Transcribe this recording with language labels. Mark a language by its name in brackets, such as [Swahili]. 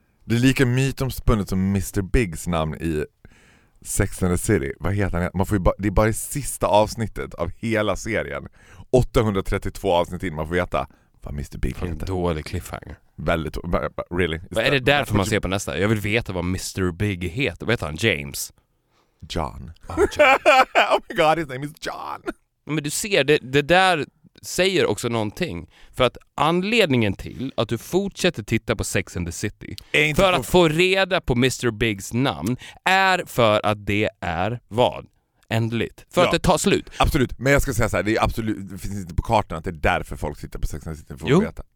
[Swedish] Det är lika mytomspunnet som Mr. Biggs namn i Sex and the City. Vad heter han? Man får ju det är bara det sista avsnittet av hela serien. 832 avsnitt in, man får veta vad Mr. Big heter. En dålig cliffhanger. Väldigt, [English] really. [Swedish] Vad är det därför man ser på nästa? Jag vill veta vad Mr. Big heter. Vad heter han? James? John. [English] Oh, oh my god, his name is John. [Swedish] Men du ser, det där säger också någonting. För att anledningen till att du fortsätter titta på Sex and the City för att få reda på Mr. Bigs namn är för att det är vad? Ändligt. För ja, att det tar slut. Absolut. Men jag ska säga så här, det är absolut, det finns inte på kartan att det är därför folk tittar på Sex and the City för att veta.